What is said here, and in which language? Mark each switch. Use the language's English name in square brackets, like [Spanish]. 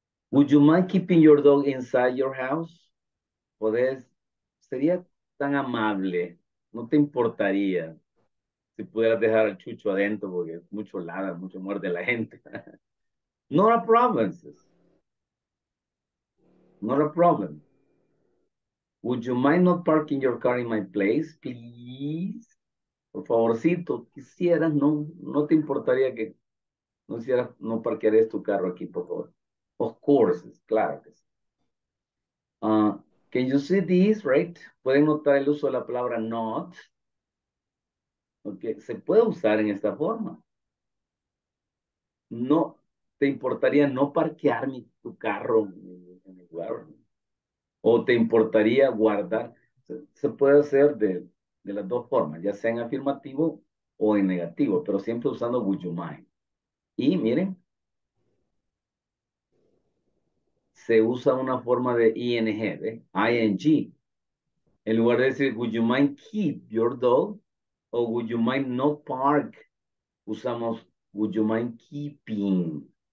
[English] Would you mind keeping your dog inside your house? [Spanish] Sería tan amable. No te importaría si pudieras dejar al chucho adentro porque es mucho ladra, mucho muerde la gente. [English] Not a problem, sis. Not a problem. Would you mind not parking your car in my place, please? [Spanish] Por favorcito, quisieras, no te importaría que no hicieras, no parquearías tu carro aquí, por favor. [English] Of course, [Spanish] claro que sí. [English] Can you see this, right? [Spanish] ¿Pueden notar el uso de la palabra not? [English] Okay. [Spanish] Se puede usar en esta forma. No. ¿Te importaría no parquear tu carro en el lugar? ¿O te importaría guardar? Se puede hacer de las dos formas, ya sea en afirmativo o en negativo, pero siempre usando [English] would you mind. [Spanish] Y miren, se usa una forma de ING, ¿eh? ING. En lugar de decir [English] would you mind keep your dog [Spanish] o [English] would you mind not park, [Spanish] usamos [English] would you mind keeping.